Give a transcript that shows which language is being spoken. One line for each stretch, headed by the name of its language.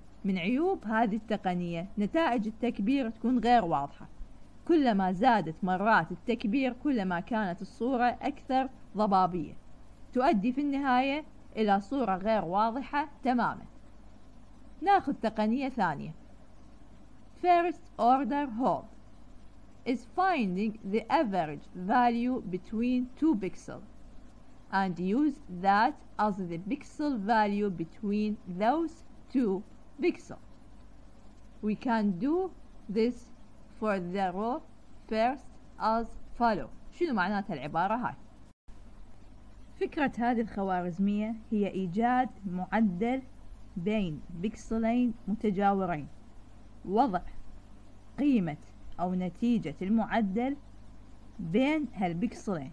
Arabic: من عيوب هذه التقنية نتائج التكبير تكون غير واضحة. كلما زادت مرات التكبير كلما كانت الصورة أكثر ضبابية، تؤدي في النهاية إلى صورة غير واضحة تماما. ناخذ تقنية ثانية.
English: First order hold is finding the average value between two pixels and use that as the pixel value between those two pixels. We can do this for the row first as follow.
Arabic: شنو معنات العبارة هاي؟ فكرة هذه الخوارزمية هي إيجاد معدل بين بكسلين متجاورين، وضع قيمة أو نتيجة المعدل بين هالبكسلين.